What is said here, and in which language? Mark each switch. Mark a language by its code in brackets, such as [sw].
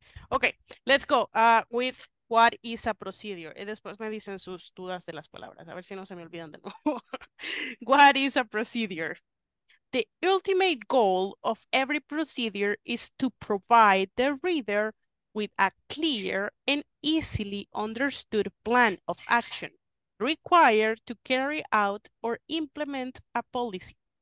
[en] Ok, let's go with what is a procedure. [es] Y después me dicen sus dudas de las palabras. A ver si no se me olvidan de nuevo. [en] What is a procedure? The ultimate goal of every procedure is to provide the reader with a clear and easily understood plan of action required to carry out or implement a policy.